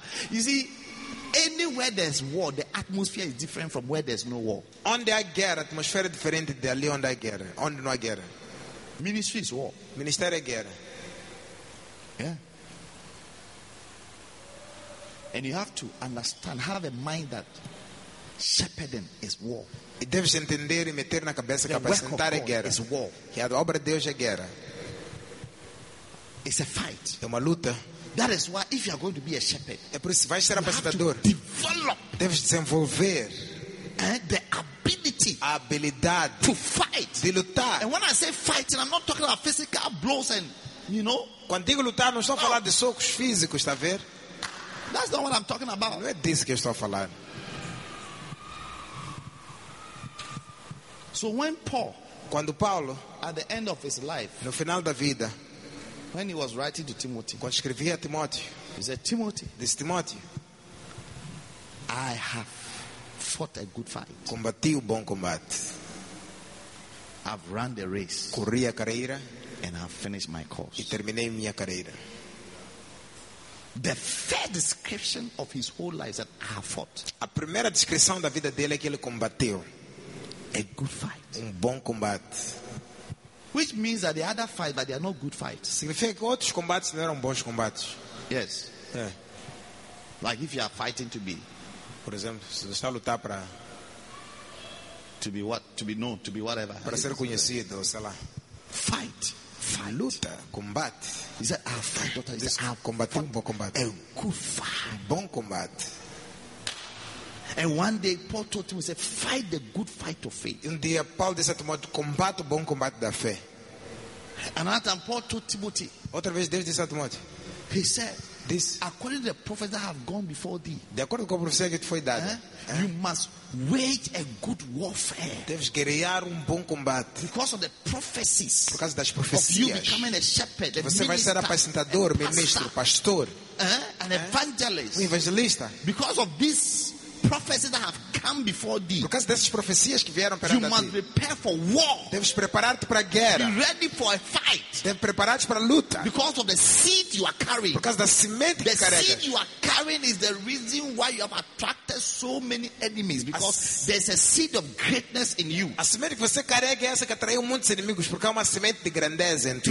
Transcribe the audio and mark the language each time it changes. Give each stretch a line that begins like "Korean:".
English: You see, anywhere there's war, the atmosphere is different from where there's no war.
Portuguese: Onde há guerra, a atmosfera é diferente de ali onde há guerra. Onde não há guerra.
English: Ministry is war.
Portuguese: Ministério é guerra.
English: Yeah. And you have to understand, have a mind that shepherding is war.
Portuguese: E deves entender e meter na cabeça que apacentar é guerra.
English: Is war.
Portuguese: Que a obra de Deus é guerra.
English: It's a fight.
Portuguese: É uma luta.
English: That is why if you are going to be a shepherd,
Portuguese: é por isso, vai ser
English: you have to develop.
Portuguese: Deves desenvolver
English: the ability. ability,
Portuguese: habilidade,
English: to fight,
Portuguese: de lutar.
English: And when I say fighting, I'm not talking about physical blows and, you know.
Portuguese: Quando digo lutar, não estou a falar de socos físicos, está a ver?
English: That's not what I'm talking about.
Portuguese: Não é disso que eu estou a falar.
English: So when Paul,
Portuguese: quando Paulo,
English: at the end of his life,
Portuguese: no final da vida,
English: when he was writing to Timothy,
Portuguese: quando escrevia a Timóteo,
English: he said, Timothy,
Portuguese: this Timóteo,
English: I have fought a good fight.
Portuguese: Combati o bom combate.
English: I've run the race.
Portuguese: Corri a carreira.
English: And I've finished my course.
Portuguese: E terminei minha carreira.
English: The third description of his whole life is that I have fought.
Portuguese: A primeira descrição da vida dele é que ele combateu.
English: A good fight.
Portuguese: Um bom combate.
English: Which means that the other fight, but they are not good fights.
Portuguese: Significa que outros combates não eram bons combates.
English: Yes.
Portuguese: É.
English: Like if you are fighting to be.
Portuguese: Por exemplo, se você está a lutar para.
English: To be what? To be known, to be whatever.
Portuguese: Para ser conhecido, sei lá.
English: Fight.
Portuguese: Luta, combate.
English: He said, I'll fight, doctor. He said, I'll
Portuguese: combate. Um bom combate.
English: A good fight.
Portuguese: Um bom combate.
English: And one day, Paul told him, he said, fight the good fight of faith.
Portuguese: Um dia, Paul disse a Timóteo, combate o bom combate da fé.
English: Another time, Paul told Timothy.
Portuguese: Outra vez, Deus disse a Timóteo.
English: He said, this, according to the prophets that have gone before thee.
Portuguese: De acordo com a profecia que te foi dada.
English: You must wage a good warfare.
Portuguese: Deves guerrear bom combate.
English: Because of the prophecies.
Portuguese: Por causa das profecias.
English: Of you becoming a shepherd, a
Portuguese: você
English: minister,
Portuguese: vai ser apacentador, ministro, pastor.
English: An evangelist.
Portuguese: Um evangelista.
English: Because of these prophecies that have come before thee.
Portuguese: Por causa dessas profecias que vieram perante
English: you a must
Portuguese: ti.
English: Prepare for war.
Portuguese: Deves preparar-te para a guerra.
English: Be ready for a fight.
Portuguese: Deves preparar-te para a luta.
English: Because of the seed you are carrying.
Portuguese: Por causa da semente que carregas.
English: The seed you are carrying is the reason why you have attracted so many enemies. Because there's a seed of greatness in you.
Portuguese: A semente que você carrega é essa que atraiu muitos inimigos porque é uma semente de grandeza em ti.